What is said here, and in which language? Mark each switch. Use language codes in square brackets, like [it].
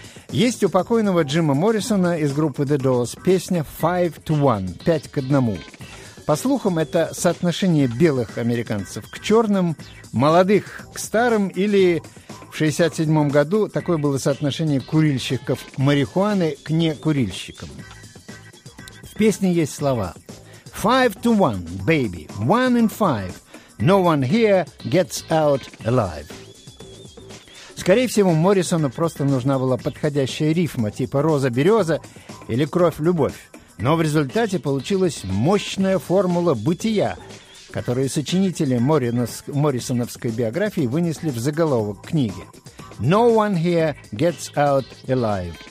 [ru] Есть у покойного Джима Моррисона из группы The Doors песня «Five to One» – «Пять к одному». По слухам, это соотношение белых американцев к черным, молодых к старым или... В 1967 году такое было соотношение курильщиков марихуаны к некурильщикам. В песне есть слова [en] «Five to one, baby, one in five, no one here gets out alive». [ru] Скорее всего, Моррисону просто нужна была подходящая рифма типа «Роза-береза» или «Кровь-любовь». Но в результате получилась мощная формула бытия, которые сочинители Моррисоновской биографии вынесли в заголовок книги. [en] «No one here gets out alive».